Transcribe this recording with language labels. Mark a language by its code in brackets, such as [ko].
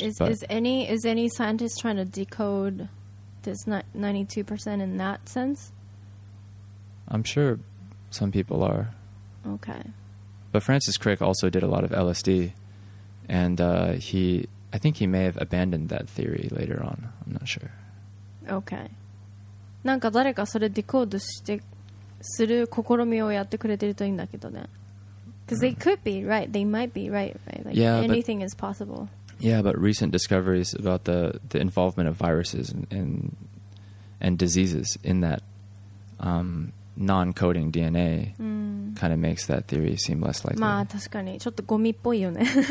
[en] Is any scientist trying to decode this 92% in that sense? I'm sure some people are. Okay. But Francis Crick also did a lot of LSD, and I think he may have abandoned that theory later on. I'm not sure. Okay. [ja] なんか誰かそれディコードしてする試みをやってくれてるといいんだけどね。 [en] Because they could be right. They might be right. Right? Like yeah, anything is possible. Yeah, but recent discoveries about the involvement of viruses and diseases in that... non-coding DNA kind of makes that theory seem less likely. [ja] まあ確かにちょっとゴミっぽいよね。